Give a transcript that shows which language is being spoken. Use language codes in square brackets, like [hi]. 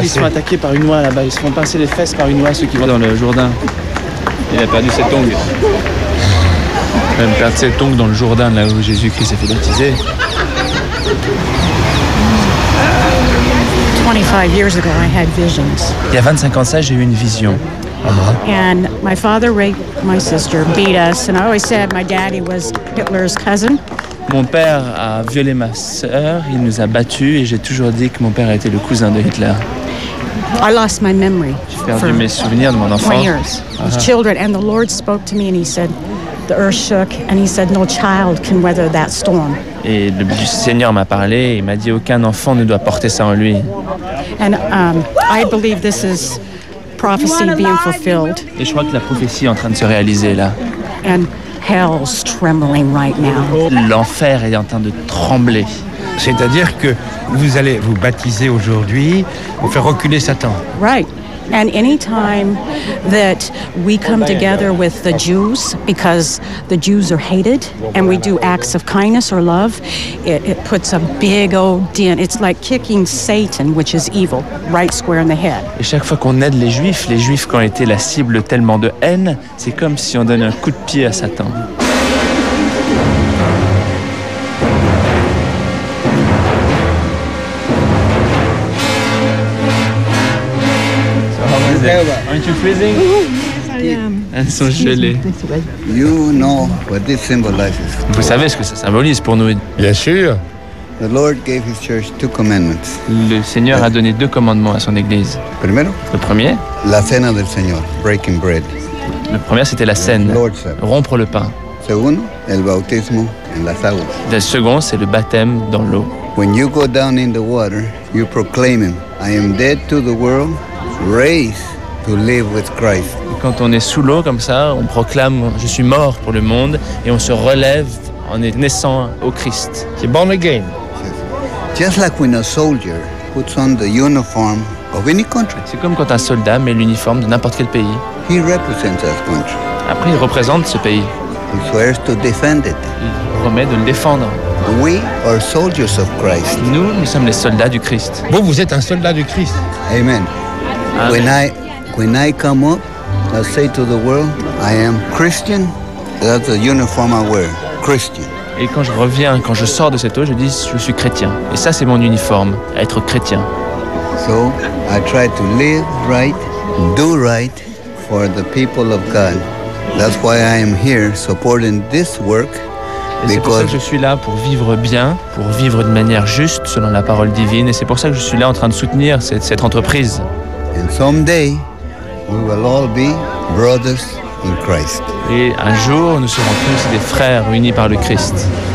[fr] Ils sont attaqués par une oie là-bas. Ils se font pincer les fesses par une oie, ceux qui vont dans le Jourdain. Il a perdu ses tongs. Même perdre ses tongs dans le Jourdain, là où Jésus-Christ s'est fait baptiser. [en] 25 years ago, I had visions. [fr] Il y a 25 ans, ça, j'ai eu une vision. [en] And my father raped my sister, beat us, and I always said my daddy was Hitler's cousin. [fr] Mon père a violé ma sœur, il nous a battus et j'ai toujours dit que mon père était le cousin de Hitler. [en] I lost my memory. [fr] J'ai perdu mes souvenirs de mon enfant. [en] Children, and the Lord spoke to me and he said, the earth shook and he said, no child can weather that storm. [fr] Et le Seigneur m'a parlé et m'a dit aucun enfant ne doit porter ça en lui. [en] And I believe this is prophecy being fulfilled. [fr] Et je crois que la prophétie est en train de se réaliser là. [en] And hell's trembling right now. [fr] L'enfer est en train de trembler. C'est-à-dire que vous allez vous baptiser aujourd'hui pour faire reculer Satan. [en] Right. And any time that we come together with the Jews, because the Jews are hated, and we do acts of kindness or love, it puts a big old dent. It's like kicking Satan, which is evil, right square in the head. [fr] Et chaque fois qu'on aide les Juifs qui ont été la cible tellement de haine, c'est comme si on donnait un coup de pied à Satan. [en] Aren't you freezing? [fr] Elles sont gelées. [en] You know what this symbolizes. [fr] Vous savez ce que ça symbolise pour nous. Bien sûr. [en] The Lord gave his church two commandments. [fr] Le Seigneur a donné deux commandements à son église. [es] Primero, [fr] le premier, [es] la cena del Señor, [en] breaking bread. [fr] Le premier, c'était la cène, rompre le pain. [es] Segundo, el bautismo en las aguas. [fr] Le second, c'est le baptême dans l'eau. [en] When you go down in the water, you proclaim him, I am dead to the world. Raised to live with Christ. [fr] Quand on est sous l'eau comme ça, on proclame je suis mort pour le monde et on se relève en naissant au Christ. [en] He's born again. Just like when a soldier puts on the uniform of any country. [fr] C'est comme quand un soldat met l'uniforme de n'importe quel pays. [en] He represents that country. [fr] Après, il représente ce pays. [en] He swears to defend it. [fr] Il promet de le défendre. [en] We are soldiers of Christ. [fr] Nous sommes les soldats du Christ. Bon, vous êtes un soldat du Christ. [en] Amen. When I come up, I say to the world, I am Christian. That's the uniform I wear, Christian. [fr] Et quand je reviens, quand je sors de cette eau, je dis, je suis chrétien. Et ça, c'est mon uniforme, être chrétien. [en] So I try to live right, do right for the people of God. That's why I am here supporting this work. [fr] Et c'est pour ça que je suis là, pour vivre bien, pour vivre de manière juste, selon la parole divine. Et c'est pour ça que je suis là en train de soutenir cette entreprise. [en] And someday we will all be brothers in Christ. [fr] Et un jour nous serons tous des frères unis par le Christ.